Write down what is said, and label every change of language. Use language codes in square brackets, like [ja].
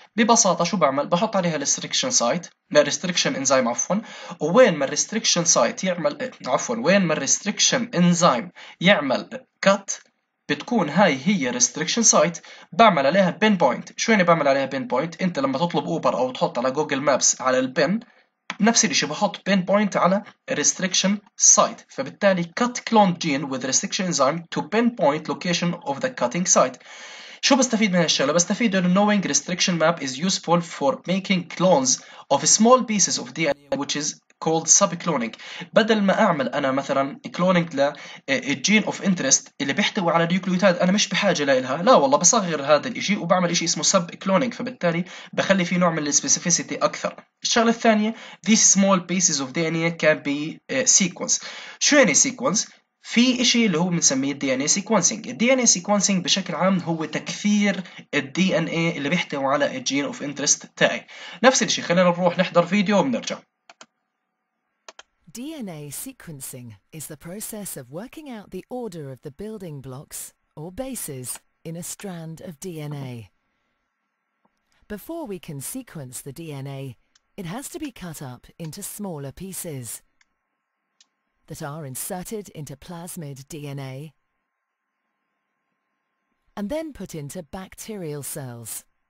[ar] ببساطه شو بعمل؟ بحط عليها الريستريكشن سايت، الريستريكشن انزيم عفوا، وين ما الريستريكشن سايت يعمل عفوا وين ما الريستريكشن انزيم يعمل كات بتكون هاي هي ريستريكشن سايت. بعمل عليها بين بوينت. شو يعني بعمل عليها بين بوينت؟ انت لما تطلب اوبر او تحط على جوجل مابس على البن، نفس الشيء بحط بين بوينت على restriction site. [en] فبالتالي cut cloned gene with restriction enzyme to pinpoint location of the cutting site. [ar] شو بستفيد من هالشغله؟ بستفيد انه [en] knowing restriction map is useful for making clones of small pieces of DNA which is called subcloning. [ar] بدل ما اعمل انا مثلا كلونينج للجين اوف انترست اللي بيحتوي على نيوكليوتيد انا مش بحاجه لها، لا والله بصغر هذا الشيء وبعمل شيء اسمه سب كلونينج، فبالتالي بخلي فيه نوع من السبيسيفيسيتي اكثر. الشغله الثانيه، [en] these small pieces of DNA can be sequence. [ar] شو يعني sequence؟ في شيء اللي هو بنسميه الدي ان اي سيكونسينج. الدي ان اي سيكونسينج بشكل عام هو تكثير الدي ان اي اللي بيحتوي على الجين اوف انترست تاعي. نفس الشيء، خلينا نروح نحضر فيديو وبنرجع. [en] DNA sequencing is the process of working out the order of the building blocks or bases in a strand of DNA. Before we can sequence the DNA, it has to be cut up into smaller pieces that are inserted into plasmid DNA and then put into bacterial cells.